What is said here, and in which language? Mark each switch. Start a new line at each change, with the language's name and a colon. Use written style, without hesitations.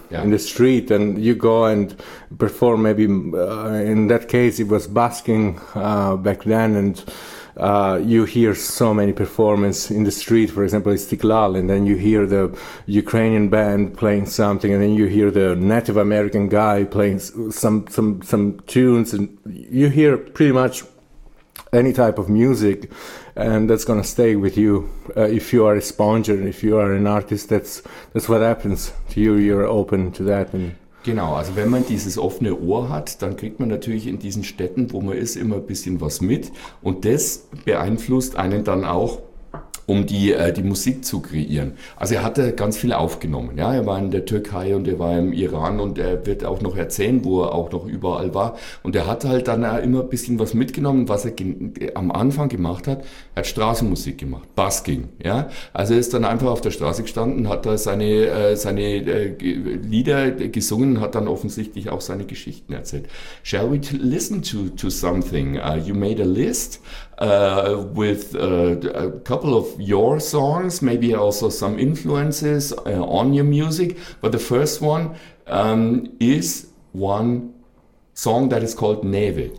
English: Yeah. In the street, and you go and perform, maybe in that case it was busking back then, and you hear so many performances in the street, for example Istiklal, and then you hear the Ukrainian band playing something, and then you hear the Native American guy playing some tunes, and you hear pretty much any type of music, and that's going to stay with you if you are a sponger, if you are an artist. That's what happens to you, you're open to that. And
German: genau, also wenn man dieses offene Ohr hat, dann kriegt man natürlich in diesen Städten, wo man ist, immer ein bisschen was mit, und das beeinflusst einen dann auch, um die Musik zu kreieren. Also er hat ganz viel aufgenommen. Ja, er war in der Türkei und er war im Iran, und er wird auch noch erzählen, wo er auch noch überall war. Und er hat halt dann immer ein bisschen was mitgenommen, was er am Anfang gemacht hat. Er hat Straßenmusik gemacht, Busking. Ja, also er ist dann einfach auf der Straße gestanden, hat da seine Lieder gesungen, hat dann offensichtlich auch seine Geschichten erzählt.
English: Shall we listen to something? You made a list with a couple of your songs, maybe also some influences on your music. But the first one is one song that is called Neve.